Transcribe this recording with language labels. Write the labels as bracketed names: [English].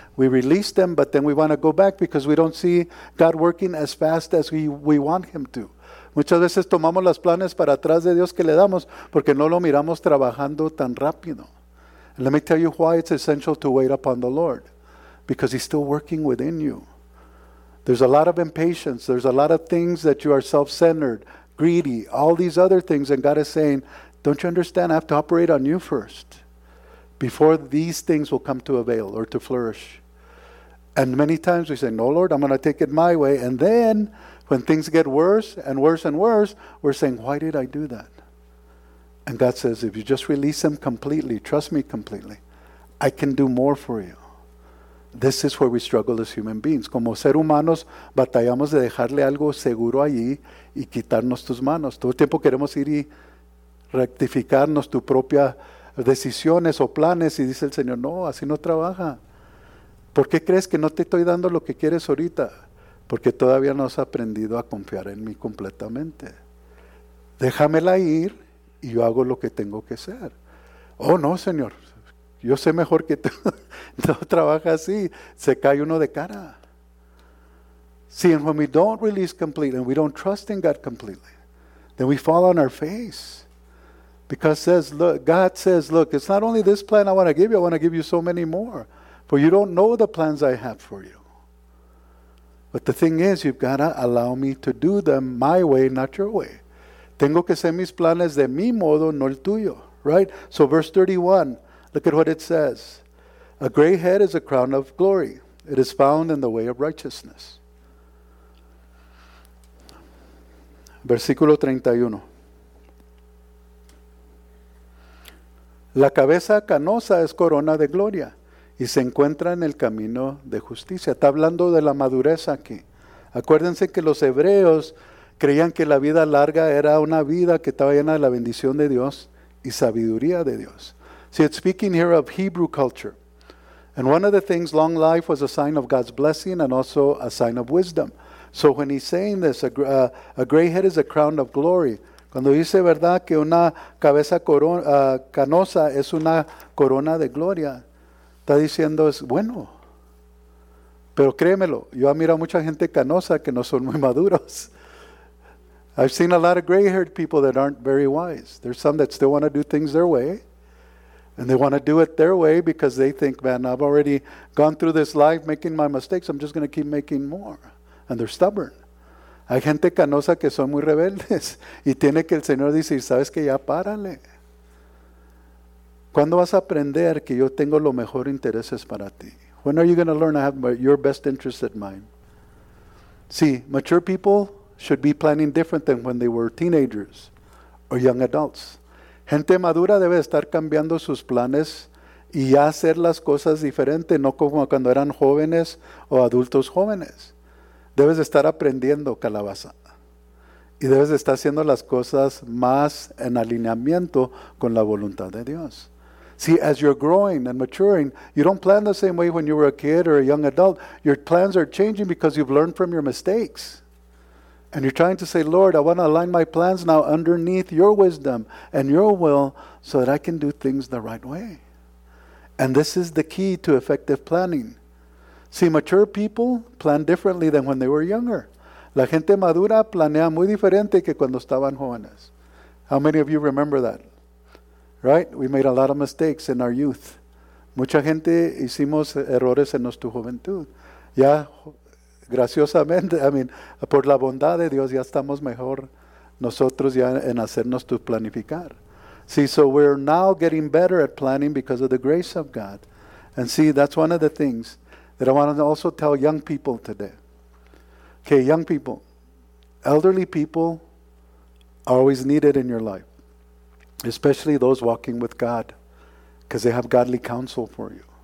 [English] We release them, but then we want to go back because we don't see God working as fast as we want him to. [Spanish] Muchas veces tomamos los planes para atrás de Dios que le damos porque no lo miramos trabajando tan rápido. [English] And let me tell you why it's essential to wait upon the Lord. Because he's still working within you. There's a lot of impatience. There's a lot of things that you are self-centered, greedy, all these other things. And God is saying, don't you understand? I have to operate on you first before these things will come to avail or to flourish. And many times we say, no, Lord, I'm going to take it my way. And then when things get worse and worse and worse, we're saying, why did I do that? And God says, if you just release him completely, trust me completely, I can do more for you. This is where we struggle as human beings. [Spanish] Como ser humanos, batallamos de dejarle algo seguro allí y quitarnos tus manos. Todo el tiempo queremos ir y rectificarnos tus propias decisiones o planes. Y dice el Señor, no, así no trabaja. ¿Por qué crees que no te estoy dando lo que quieres ahorita? Porque todavía no has aprendido a confiar en mí completamente. Déjamela ir y yo hago lo que tengo que hacer. Oh, no, Señor. Yo sé mejor que tú. No trabaja así. Se cae uno de cara. [English] See, and when we don't release completely, and we don't trust in God completely, then we fall on our face. Because God says, look, it's not only this plan I want to give you. I want to give you so many more. For you don't know the plans I have for you. But the thing is, you've got to allow me to do them my way, not your way. [Spanish] Tengo que hacer mis planes de mi modo, no el tuyo. [English] Right? So verse 31, look at what it says. A gray head is a crown of glory. It is found in the way of righteousness. [Spanish] Versículo 31. La cabeza canosa es corona de gloria y se encuentra en el camino de justicia. Está hablando de la madurez aquí. Acuérdense que los hebreos creían que la vida larga era una vida que estaba llena de la bendición de Dios y sabiduría de Dios. [English] See, it's speaking here of Hebrew culture. And one of the things, long life was a sign of God's blessing and also a sign of wisdom. So when he's saying this, a gray head is a crown of glory. [Spanish] Cuando dice verdad que una cabeza canosa es una corona de gloria, está diciendo es bueno. Pero créemelo, yo he mirado mucha gente canosa que no son muy maduros. [English] I've seen a lot of gray-haired people that aren't very wise. There's some that still want to do things their way. And they want to do it their way because they think, man, I've already gone through this life making my mistakes. I'm just going to keep making more. And they're stubborn. [Spanish] Hay gente canosa que son muy rebeldes. Y tiene que el Señor dice, ¿sabes qué? Ya párale. ¿Cuándo vas a aprender que yo tengo los mejores intereses para ti? [English] When are you going to learn I have your best interests at mind? See, mature people should be planning different than when they were teenagers or young adults. [Spanish] Gente madura debe estar cambiando sus planes y hacer las cosas diferente, no como cuando eran jóvenes o adultos jóvenes. Debes de estar aprendiendo, calabaza. Y debes de estar haciendo las cosas más en alineamiento con la voluntad de Dios. [English] See, as you're growing and maturing, you don't plan the same way when you were a kid or a young adult. Your plans are changing because you've learned from your mistakes. And you're trying to say, Lord, I want to align my plans now underneath your wisdom and your will so that I can do things the right way. And this is the key to effective planning. See, mature people plan differently than when they were younger. [Spanish] La gente madura planea muy diferente que cuando estaban jóvenes. [English] How many of you remember that? Right? We made a lot of mistakes in our youth. [Spanish] Mucha gente hicimos errores en nuestra juventud. Ya, graciosamente, [English] I mean, [Spanish] por la bondad de Dios, ya estamos mejor nosotros ya en hacernos tu planificar. [English] See, so we're now getting better at planning because of the grace of God. And see, that's one of the things that I want to also tell young people today. Okay, young people, elderly people are always needed in your life, especially those walking with God, because they have godly counsel for you.